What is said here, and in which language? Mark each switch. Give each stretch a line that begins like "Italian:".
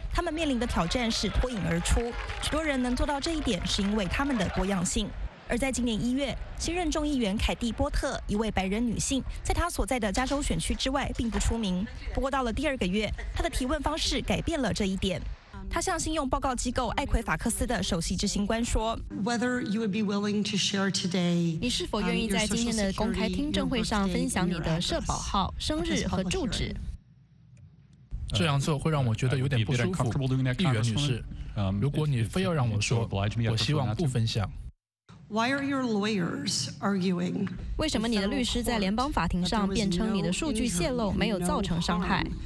Chinese: 他们面临的挑战是脱颖而出，许多人能做到这一点是因为他们的多样性。而在今年一月，新任众议员凯蒂·波特，一位白人女性，在她所在的加州选区之外并不出名。不过到了第二个月，她的提问方式改变了这一点。他向信用报告机构艾奎法克斯的首席执行官说：
English: Whether you would be willing to share today,
Chinese: 你是否愿意在今天的公开听证会上分享你的社保号、生日和住址？这样做会让我觉得有点不舒服。议员女士，如果你非要让我说，我希望不分享。
English: Why are your lawyers arguing?
Chinese: 为什么你的律师在联邦法庭上辩称你的数据泄露没有造成伤害？